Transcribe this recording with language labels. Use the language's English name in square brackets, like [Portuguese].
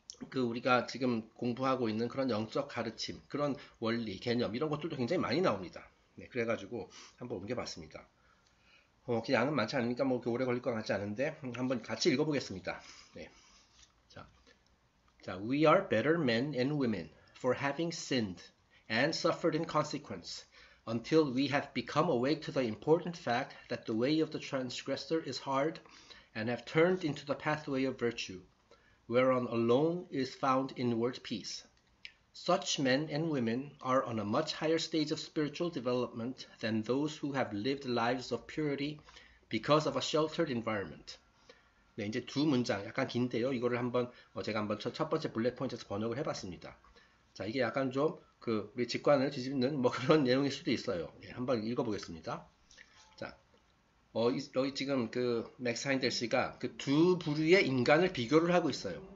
[Korean] 그 우리가 지금 공부하고 있는 그런 영적 가르침, 그런 원리, 개념 이런 것들도 굉장히 많이 나옵니다. 네, 그래가지고 한번 옮겨봤습니다. 양은 많지 않으니까 뭐 오래 걸릴 것 같지 않은데 한번 같이 읽어보겠습니다. 네. [English] 자, We are better men and women for having sinned and suffered in consequence until we have become awake to the important fact that the way of the transgressor is hard and have turned into the pathway of virtue. Whereon alone is found inward peace. Such men and women are on a much higher stage of spiritual development than those who have lived lives of purity because of a sheltered environment. [Korean] 네, 이제 두 문장 약간 긴데요. 이거를 한번 제가 한번 첫 번째 블랙 포인트에서 번역을 해봤습니다. 자, 이게 약간 좀그 우리 직관을 뒤집는 뭐 그런 내용일 수도 있어요. 네, 한번 읽어보겠습니다. 여기 지금 그 맥스 하인델 씨가 그두 부류의 인간을 비교를 하고 있어요.